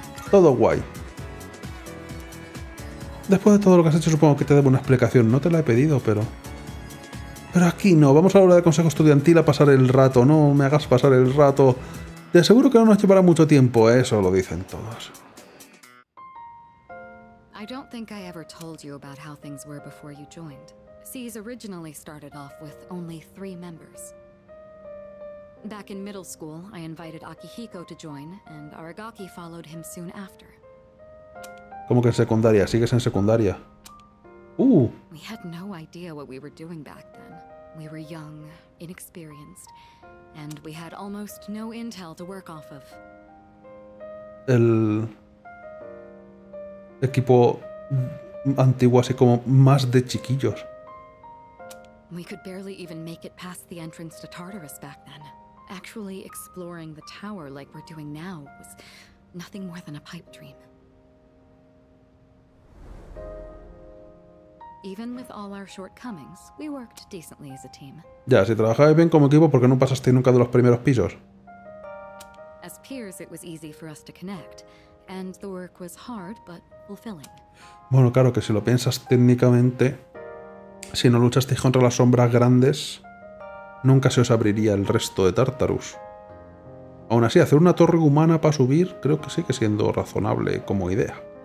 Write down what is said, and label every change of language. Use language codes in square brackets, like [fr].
[es] todo guay. Después de todo lo que has hecho, supongo que te debo una explicación. No te la he pedido, pero... Pero aquí no, vamos a la hora de consejo estudiantil a pasar el rato. No me hagas pasar el rato. Te aseguro que no nos llevará mucho tiempo, ¿eh? Eso lo dicen todos. [en] I don't think I ever told you about how things were before you joined. C's originally started off with only 3 members. Back in middle school, I invited Akihiko to join, and Aragaki followed him soon after. [es] ¿Cómo que en secundaria? ¿Sigues en secundaria? [en] We had no idea what we were doing back then. We were young, inexperienced, and we had almost no intel to work off of. [es] Equipo antiguo, así como más de chiquillos. [en] We could barely even make it past the entrance to Tartarus back then. Actually exploring the tower like we're doing now was nothing more than a pipe dream. Even with all our shortcomings, we worked decently as a team. [es] Ya, si trabajabas bien como equipo, ¿por qué no pasaste nunca de los primeros pisos? [en] As peers, it was easy for us to connect, and the work was hard but fulfilling. [es] Bueno, claro que si lo piensas técnicamente, si no luchaste contra las sombras grandes, nunca se os abriría el resto de Tartarus. Aún así, hacer una torre humana para subir creo que sigue siendo razonable como idea.